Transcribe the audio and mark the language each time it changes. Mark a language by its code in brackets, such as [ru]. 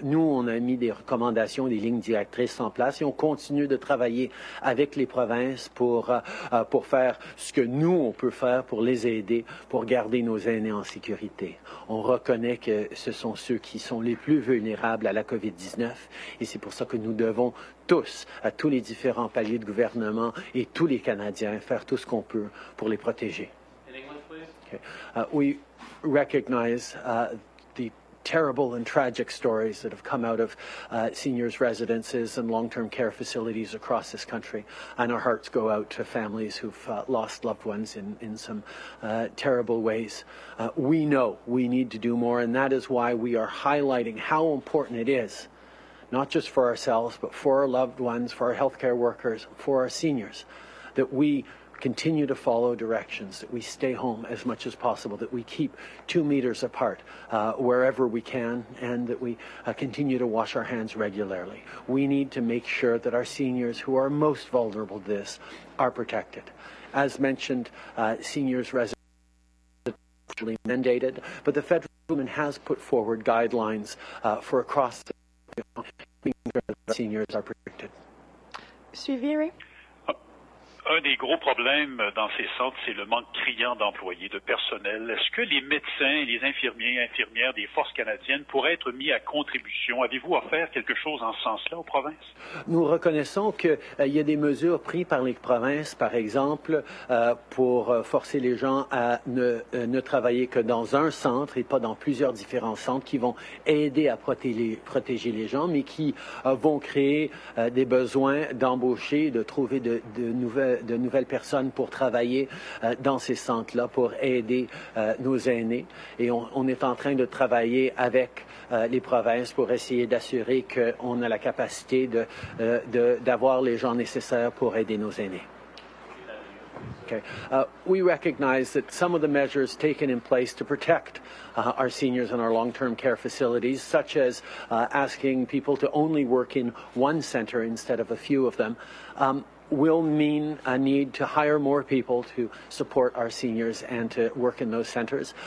[fr] Nous, on a mis des recommandations, des lignes directrices en place et on continue de travailler avec les provinces pour faire ce que nous, on peut faire pour les aider, pour garder nos aînés en sécurité. On reconnaît que ce sont ceux qui sont les plus vulnérables à la COVID-19 et c'est pour ça que nous devons tous, à tous les différents paliers de gouvernement et tous les Canadiens, faire tout ce qu'on peut pour les protéger. [en] In English, please. Okay. We recognize the terrible and tragic stories that have come out of seniors' residences and long-term care facilities across this country, and our hearts go out to families who've lost loved ones in some terrible ways. We know we need to do more, and that is why we are highlighting how important it is, not just for ourselves, but for our loved ones, for our healthcare workers, for our seniors, that we continue to follow directions, that we stay home as much as possible, that we keep 2 meters apart wherever we can, and that we continue to wash our hands regularly. We need to make sure that our seniors who are most vulnerable to this are protected. As mentioned, seniors' residents are mandated, but the federal government has put forward guidelines for across the seniors are protected. [fr] Suivi. Un des gros problèmes dans ces centres, c'est le manque criant d'employés, de personnel. Est-ce que les médecins, les infirmiers, infirmières des forces canadiennes pourraient être mis à contribution? Avez-vous offert quelque chose en ce sens-là aux provinces? Nous reconnaissons qu'il y a des mesures prises par les provinces, par exemple, pour forcer les gens à ne travailler que dans un centre et pas dans plusieurs différents centres qui vont aider à protéger les gens, mais qui vont créer des besoins d'embaucher, de trouver de nouvelles personnes pour travailler dans ces centres-là, pour aider nos aînés. Et on est en train de travailler avec les provinces pour essayer d'assurer qu'on a la capacité d'avoir les gens nécessaires pour aider nos aînés. [en] Okay. We recognize that some of the measures taken in place to protect our seniors in our long-term care facilities, such as asking people to only work in one center instead of a few of them, will mean a need to hire more people to support our seniors and to work in those centers.